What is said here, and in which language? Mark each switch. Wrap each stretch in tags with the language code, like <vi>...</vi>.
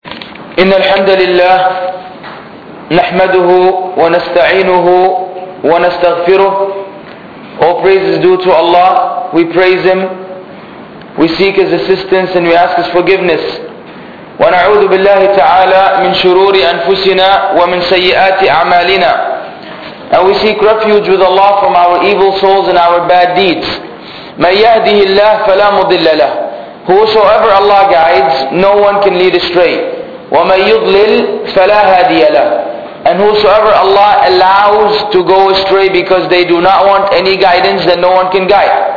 <ar>إن الحمد لله نحمده ونستعينه ونستغفره.</ar> <en>All praise is due to Allah. We praise Him. We seek His assistance and we ask His forgiveness.</en> <ar>ونعوذ بالله تعالى من شرور أنفسنا ومن سيئات أعمالنا.</ar> <en>And we seek refuge with Allah from our evil souls and our bad deeds.</en> <ar>من يهده الله فلا مضل له.</ar> <en>Whosoever Allah guides, no one can lead astray.</en> <ar>وَمَنْ يُضْلِلْ فَلَا هَادِيَ لَهُ.</ar> <en>And whosoever Allah allows to go astray because they do not want any guidance, then no one can guide.</en>